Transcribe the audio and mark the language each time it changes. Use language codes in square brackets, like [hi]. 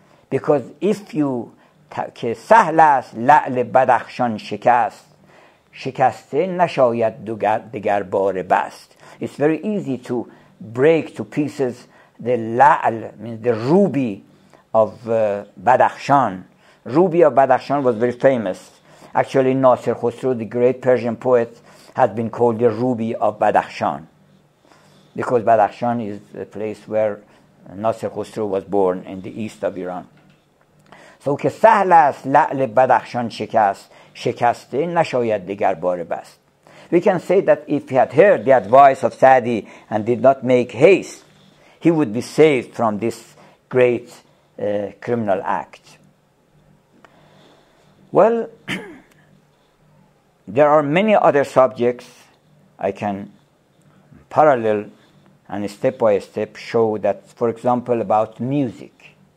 [en] Because if you [fa] که سهل است لعل بدخشان شکست, شکسته نشاید دگر بار بست. [en] It's very easy to break to pieces the la'al, means the ruby of Badakhshan. Ruby of Badakhshan was very famous. Actually, Nasir Khosrow, the great Persian poet, has been called the ruby of Badakhshan, because Badakhshan is the place where Nasir Khosrow was born, in the east of Iran. [fa] So, که سهل است لعل بدخشان شکست, شکسته نشاید دیگر بار بست. [en] We can say that if he had heard the advice of Sa'di and did not make haste, he would be saved from this great criminal act. Well, there are many other subjects I can parallel and step by step show that, for example, about music.